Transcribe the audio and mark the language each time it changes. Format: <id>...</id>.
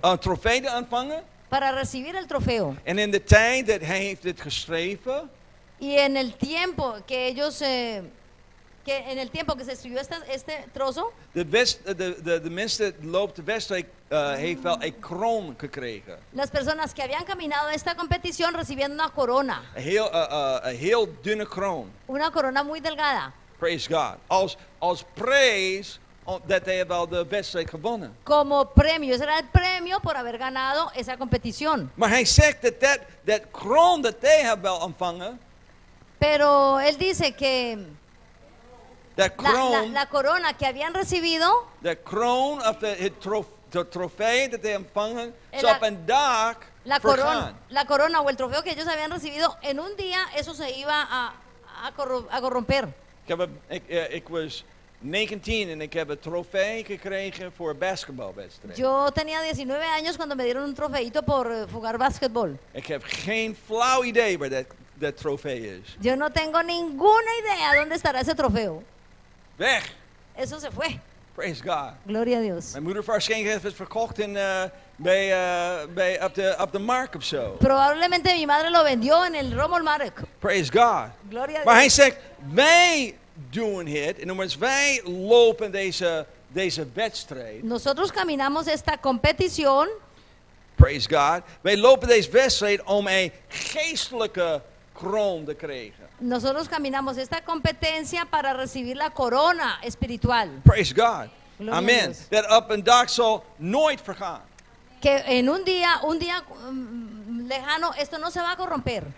<nl>Een trofee te ontvangen.</nl> <es>Para recibir el trofeo.</es> <en>And in the time that he</en> <nl>heeft het geschreven.</nl> <es>Y en el tiempo que ellos que en el tiempo que se escribió este trozo.</es> <nl>De mensen die loopt de wedstrijd heeft wel een kroon gekregen.</nl> <es>Las personas que habían caminado esta competición recibían una corona.</es> <nl>Heel dunne kroon.</nl> <es>Una corona muy delgada.</es> <en>Praise God.</en> <nl>Als prijs</nl> <en>that they have all the</en> <nl>wedstrijd gewonnen.</nl> <es>Como premio, ese era el premio por haber ganado esa competición.</es> <nl>Maar hij zegt dat kroon dat</nl> <en>they have</en> <nl>wel ontvangen.</nl> <es>Pero él dice que</es> <en>that crown,</en> <es>la corona que habían recibido,</es> <en>the crown of the</en> <nl>trofee</nl> <en>that they</en> <nl>ontvangen, zal op een dag vergaan.</nl> <es>La corona o el trofeo que ellos habían recibido en un día eso se iba a corromper.</es> <nl>Ik was 19 en ik heb een trofee gekregen voor een basketbalwedstrijd.</nl> <es>Yo tenía 19 años cuando me dieron un trofeito por jugar basketball.</es> <nl>Ik heb geen flauw idee waar dat trofee is.</nl> <es>Yo no tengo ninguna idea dónde estará ese trofeo.</es> <nl>Weg.</nl> <es>Eso se fue.</es> <en>Praise God.</en> <es>Gloria a Dios.</es> <nl>Mijn moeder waarschijnlijk heeft het verkocht in bij op de markt of zo.</nl> <es>Probablemente mi madre lo vendió en el Rommel Markt.</es> <en>Praise God.</en> <es>Gloria</es> <nl>maar</nl> <es>a Dios.</es> <nl>Hij zegt, wij doen het.</nl> <en>In other words,</en> <nl>wij lopen deze wedstrijd.</nl> <es>Nosotros caminamos esta competición.</es> <en>Praise God.</en> <nl>Wij lopen deze wedstrijd om een geestelijke kroon te krijgen.</nl> <es>Nosotros caminamos esta competencia para recibir la corona espiritual.</es> <en>Praise God. Gloria amen. That up and dark soul nooit vergaan.</en> <es>Que en un día lejano esto no se va a corromper.</es>